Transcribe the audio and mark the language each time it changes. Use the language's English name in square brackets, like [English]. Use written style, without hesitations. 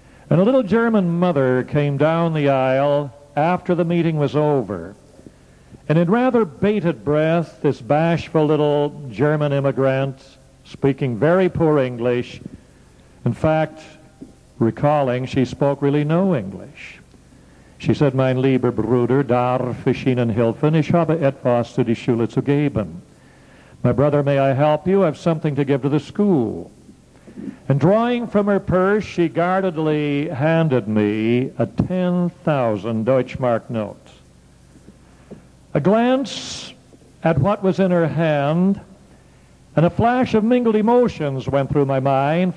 [English] And a little German mother came down the aisle after the meeting was over. And in rather bated breath, this bashful little German immigrant, speaking very poor English, in fact, recalling, she spoke really no English. [German] She said, Mein lieber Bruder, darf ich Ihnen helfen? Ich habe etwas zu die Schule zu geben. [English] My brother, may I help you? I have something to give to the school. And drawing from her purse, she guardedly handed me a 10,000 Deutschmark note. A glance at what was in her hand, and a flash of mingled emotions went through my mind.